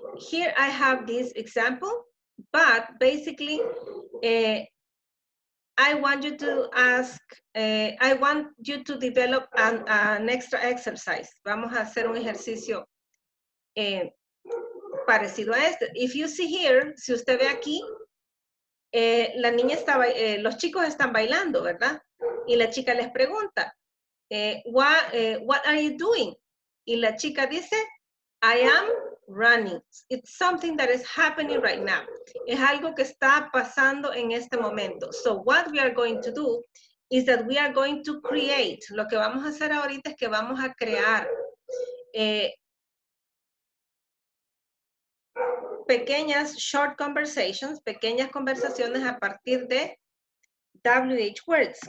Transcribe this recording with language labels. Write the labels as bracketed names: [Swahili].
[English] Here I have this example, but basically I want you to develop an extra exercise. [Spanish] Vamos a hacer un ejercicio parecido a este. [English] If you see here, [Spanish] si usted ve aquí, la niña está, los chicos están bailando, ¿verdad? Y la chica les pregunta, [English] what are you doing? [Spanish] Y la chica dice, [English] I am running. It's something that is happening right now. [Spanish] Es algo que está pasando en este momento. [English] So what we are going to do is that we are going to create. [Spanish] Lo que vamos a hacer ahorita es que vamos a crear pequeñas short conversations, pequeñas conversaciones a partir de WH words.